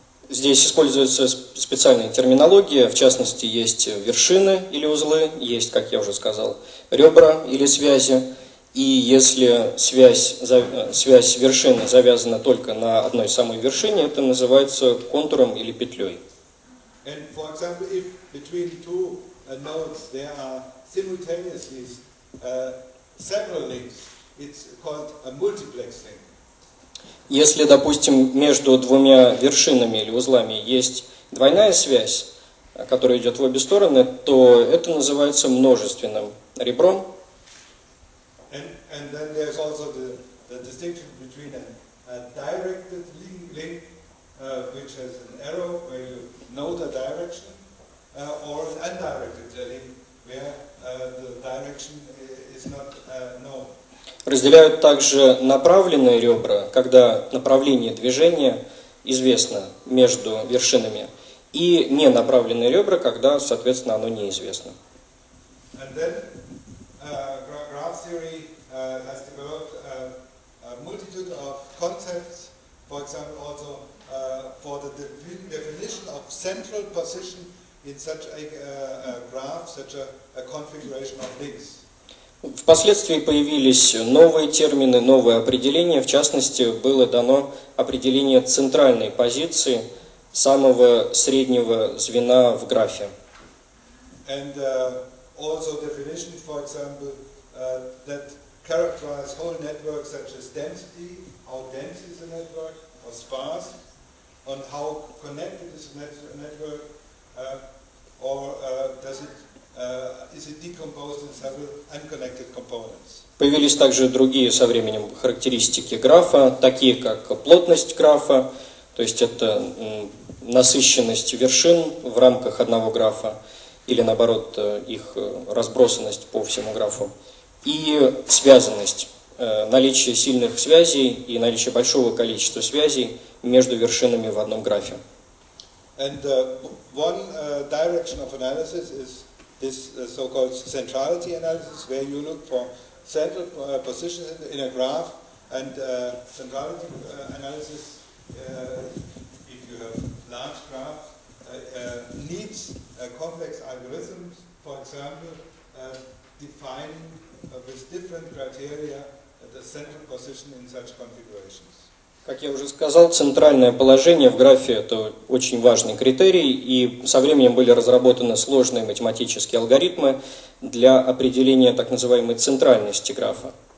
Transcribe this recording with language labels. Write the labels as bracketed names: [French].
[Russian] Здесь используется специальная терминология, в частности, есть вершины или узлы, есть, как я уже сказал, ребра или связи. И если связь вершины завязана только на одной самой вершине, это называется контуром или петлей. [English] And for example, if between two nodes there are simultaneously several links, it's called a multiplex link. [Russian] Если, допустим, между двумя вершинами или узлами есть двойная связь, которая идет в обе стороны, то это называется множественным ребром. [English] And then there's also the distinction between a directed link, which has an arrow where you know the direction, or an undirected link where the direction is not known. [Russian] Разделяют также направленные ребра, когда направление движения известно между вершинами, и ненаправленные ребра, когда, соответственно, оно неизвестно. [English] And then, graph theory has developed a multitude of concepts, for example, also for the definition of central position in such a graph, such a configuration of links. [Russian] Впоследствии появились новые термины, новые определения. В частности, было дано определение центральной позиции самого среднего звена в графе. [English] And also definition, for example, that characterize whole networks such as density, how dense is a network, how sparse, on how connected is a network, or does it is it decomposed in several unconnected components? [Russian] Появились также другие со временем характеристики графа, такие как плотность графа, то есть это насыщенность вершин в рамках одного графа, или наоборот их разбросанность по всему графу, и связанность, наличие сильных связей и наличие большого количества связей между вершинами в одном графе. [English] And one direction of analysis is this so-called centrality analysis, where you look for central positions in a graph, and centrality analysis, if you have large graphs, needs complex algorithms, for example, defining with different criteria the central position in such configurations. [Russian] Как я уже сказал, центральное положение в графе – это очень важный критерий, и со временем были разработаны сложные математические алгоритмы для определения так называемой центральности графа.